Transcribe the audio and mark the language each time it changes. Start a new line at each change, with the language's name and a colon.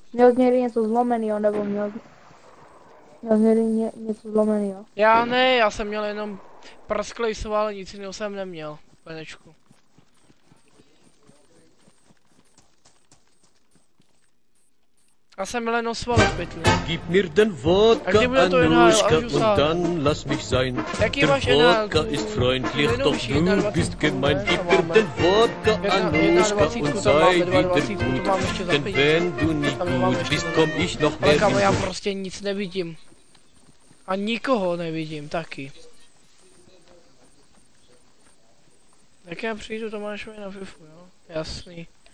Czech: Měl z něj něco zlomený, jo, nebo měl... Měl z něj něco zlomený, jo. Já ne, já jsem měl jenom prasklej sval, nic jiného jsem neměl, Benečku. Já jsem měl jenom sval v pytli.
German: Gib mir den Vodka, ein Nuschka, und dann lass mich sein. Der Vodka ist freundlich, doch du bist gemein. Gib mir den Vodka, ein Nuschka, und sei wieder gut. Denn wenn du nicht gut bist, komm ich noch mehr.
Czech: Ale kamo, já prostě nic nevidím. A nikoho nevidím, taky. Tak já přijdu Tomášovi na fifu, jo? Jasný.